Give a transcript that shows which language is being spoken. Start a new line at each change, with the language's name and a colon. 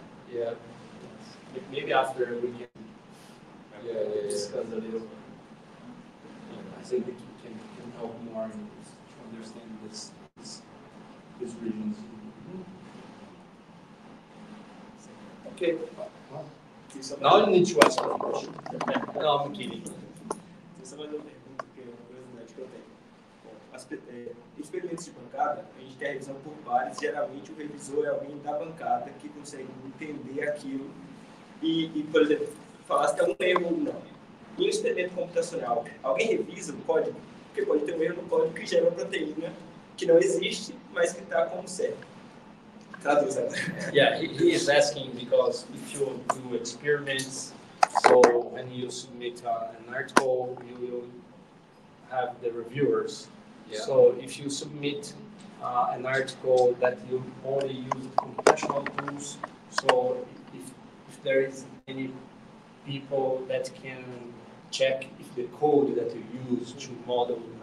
English: Yeah. Yes. Maybe after we can discuss a little. I think we can help more in this, to understand this region. Mm-hmm. Okay. Now you need to ask for a question. No, I'm kidding.
Portuguese: Essa é mais uma pergunta que é uma curiosidade que eu tenho. Bom, experimentos de bancada, a gente quer revisão por pares, geralmente o revisor é alguém da bancada que consegue entender aquilo e por exemplo, falar se tem um erro ou não. Em um experimento computacional, alguém revisa o código? Porque pode ter um erro no código que gera uma proteína que não existe, mas que está como certo.
English: Yeah, he is asking because if you do experiments, so when you submit an article, you will have the reviewers. Yeah. So if you submit an article that you only use computational tools, so if there is any people that can check if the code that you use to model